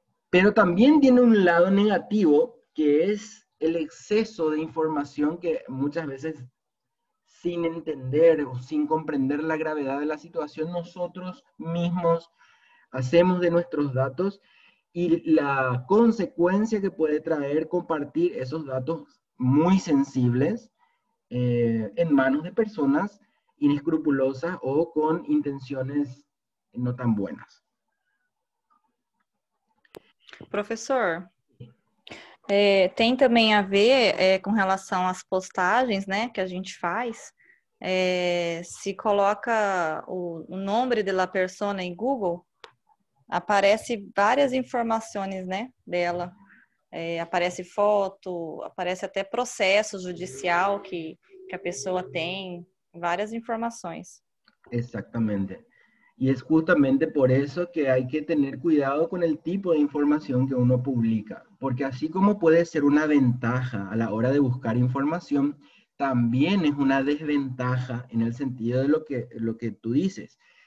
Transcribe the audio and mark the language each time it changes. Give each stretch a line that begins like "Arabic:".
Spanish: Pero también tiene un lado negativo, que es el exceso de información que muchas veces, sin entender o sin comprender la gravedad de la situación, nosotros mismos hacemos de nuestros datos y la consecuencia que puede traer compartir esos datos muy sensibles en manos de personas inescrupulosas o con intenciones no tan buenas.
Portuguese: Professor, tem também a ver com relação às postagens, né, que a gente faz. Se coloca o nome da pessoa em Google, aparece várias informações, né, dela. Aparece foto, aparece até processo judicial que a pessoa tem, várias informações.
Spanish: Exactamente. Y es justamente por eso que hay que tener cuidado con el tipo de información que uno publica. Porque así como puede ser una ventaja a la hora de buscar información, también es una desventaja en el sentido de lo que tú dices.